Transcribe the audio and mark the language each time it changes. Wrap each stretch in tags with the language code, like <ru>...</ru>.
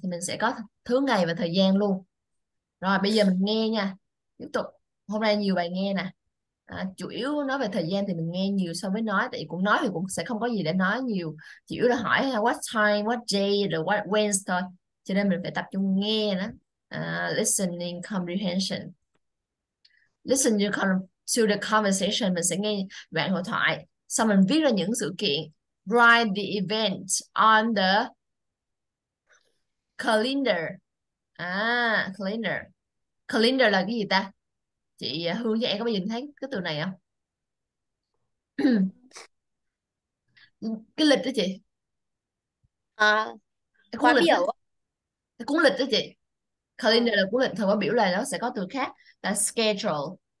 <vi>Thì mình sẽ có thứ ngày và thời gian luôn. Rồi bây giờ mình nghe nha. Tiếp tục. Hôm nay nhiều bài nghe nè. À, chủ yếu nói về thời gian thì mình nghe nhiều so với nói. Tại vì cũng nói thì cũng sẽ không có gì để nói nhiều. Chủ yếu là hỏi</vi> <en>what time, what day,</en> <vi>rồi what when thôi. Cho nên mình phải tập trung nghe đó.</vi> <en>Listening comprehension. Listen to the conversation.</en> <vi>Mình sẽ nghe đoạn hội thoại. Xong mình viết ra những sự kiện.</vi> <en>Write the event on the calendar.</en> <vi>À, calendar. Calendar là cái gì ta? Chị Hương với em có bao giờ thấy cái từ này không? Cái lịch đó chị. À, Cái cuốn khóa lịch đó. biểu Cái cuốn lịch đó chị. Calendar là á. cuốn lịch, thời khóa biểu là nó sẽ có từ khác là schedule.</vi>